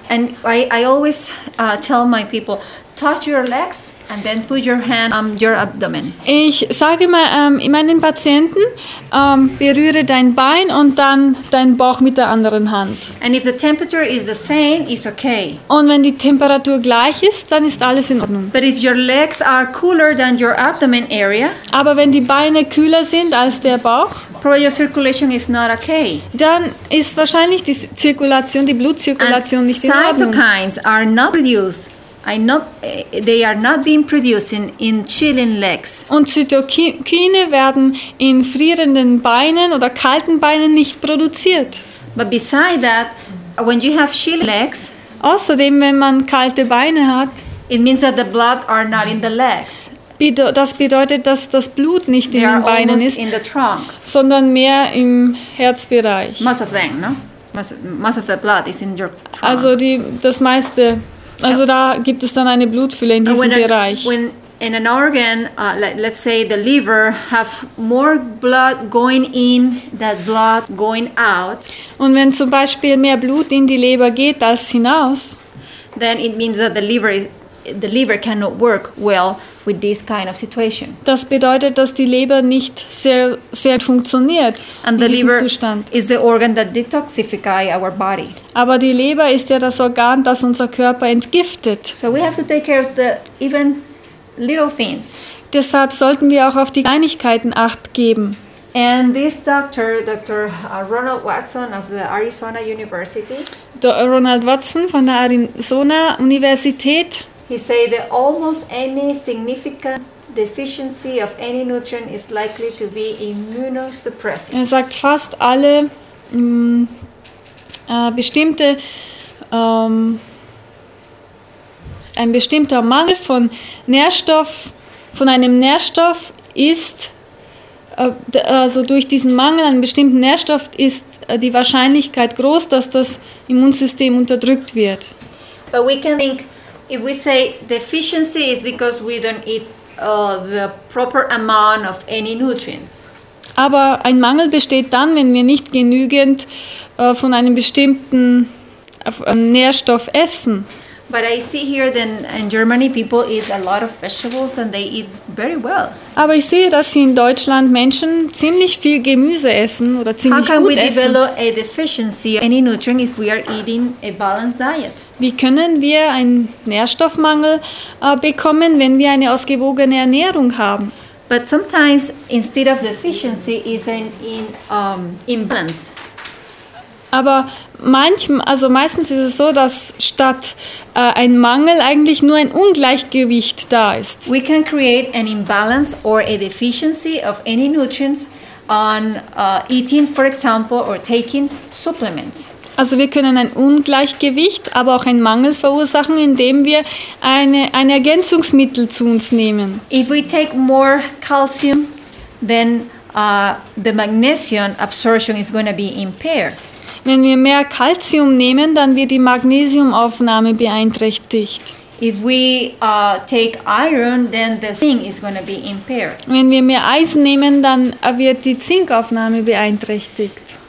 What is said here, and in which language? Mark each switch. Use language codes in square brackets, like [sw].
[en] And I always tell my people, touch your legs. And then put your hand on your abdomen. [de] Ich sage mal meinen Patienten, berühre dein Bein und dann dein Bauch mit der anderen Hand. [en] And if the temperature is the same, it's okay. [de] Und wenn die Temperatur gleich ist, dann ist alles in Ordnung. [en] But if your legs are cooler than your abdomen area, [de] aber wenn die Beine kühler sind als der Bauch, [en] probably your circulation is not okay. [de] Dann ist wahrscheinlich die Zirkulation, die Blutzirkulation [en] and [de] nicht in Ordnung. [en] Cytokines are not produced. They are not being produced in chilling legs. [de] Und Zytokine werden in frierenden Beinen oder kalten Beinen nicht produziert. [en] But beside that, when you have chilling legs, [de] außerdem wenn man kalte Beine hat, [en] it means that the blood are not in the legs. [de] Das bedeutet, dass das Blut nicht [en] they [de] in den Beinen ist, [en] in the trunk. [de] Sondern mehr im Herzbereich. [en] Most of them, no? Most of the blood is in your trunk. [de] Also das meiste. Also da gibt es dann eine Blutfülle in diesem [en] when [de] Bereich. [en] When in an organ, let's say the liver, have more blood going in than blood going out. [de] Und wenn zum Beispiel mehr Blut in die Leber geht als hinaus, [en] then it means that the liver is the liver cannot work well with this kind of situation. [de] Das bedeutet, dass die Leber nicht sehr sehr funktioniert in diesem Zustand. [en] Is the organ that detoxifies our body. [de] Aber die Leber ist ja das Organ, das unser Körper entgiftet. [en] So we have to take care of the even little things. [de] Deshalb sollten wir auch auf die Kleinigkeiten Acht geben. [en] And this doctor, Dr. Ronald Watson of the Arizona University. [de] Ronald Watson von der Arizona Universität. [en] He said that almost any significant deficiency of any nutrient is likely to be immunosuppressive. [de] Er sagt, fast alle bestimmte ein bestimmter Mangel von Nährstoff von einem Nährstoff ist also durch diesen Mangel an bestimmten Nährstoff ist die Wahrscheinlichkeit groß, dass das Immunsystem unterdrückt wird. [en] But we can think if we say deficiency is because we don't eat the proper amount of any nutrients. [de] Aber ein Mangel besteht dann, wenn wir nicht genügend von einem bestimmten Nährstoff essen. [en] But I see here that in Germany people eat a lot of vegetables and they eat very well. [de] Aber ich sehe, dass in Deutschland Menschen ziemlich viel Gemüse essen oder ziemlich gut essen. [en] How can we develop a deficiency of any nutrient if we are eating a balanced diet? [de] Wie können wir einen Nährstoffmangel bekommen, wenn wir eine ausgewogene Ernährung haben? [en] But sometimes instead of deficiency is an imbalance. [de] Aber meistens ist es so, dass statt ein Mangel eigentlich nur ein Ungleichgewicht da ist. [en] We can create an imbalance or a deficiency of any nutrients on eating, for example, or taking supplements. [de] Also wir können ein Ungleichgewicht, aber auch einen Mangel verursachen, indem wir ein Ergänzungsmittel zu uns nehmen. [en] If we take more calcium, then the magnesium absorption is going to be impaired. [de] Wenn wir mehr Kalzium nehmen, dann wird die Magnesiumaufnahme beeinträchtigt. [en] If we take iron, then the zinc is going to be impaired. [de] Wenn wir mehr Eisen nehmen, dann wird die Zinkaufnahme beeinträchtigt.